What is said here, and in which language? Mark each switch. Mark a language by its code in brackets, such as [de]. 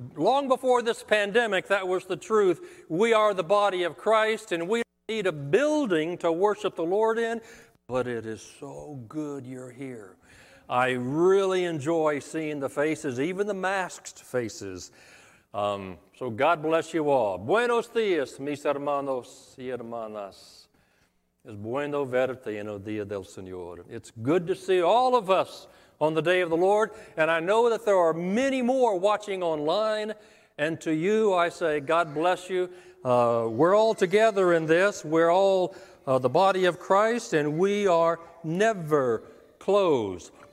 [en] Long before this pandemic, that was the truth. We are the body of Christ, and we need a building to worship the Lord in. But it is so good you're here. I really enjoy seeing the faces, even the masked faces. So God bless you all. [es] Buenos dias, mis hermanos y hermanas. Es bueno verte en el día del Señor. [en] It's good to see all of us on the day of the Lord. And I know that there are many more watching online. And to you, I say, God bless you. We're all together in this. We're all the body of Christ, and we are never closed.